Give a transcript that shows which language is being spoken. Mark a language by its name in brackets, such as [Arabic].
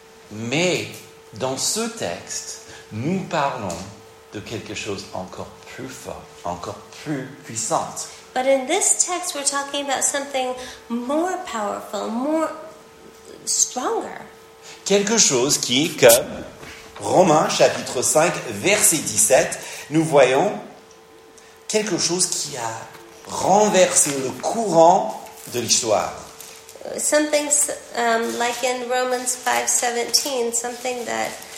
[French] Mais dans ce texte, nous parlons de quelque chose encore plus fort, encore plus puissant. [English] But in this text, we're talking about something more powerful, more stronger. [French] Quelque chose qui, comme Romains chapitre 5, verset 17, nous voyons quelque chose qui a renversé le courant de l'histoire. [English] Something like in Romans 5, 17, something that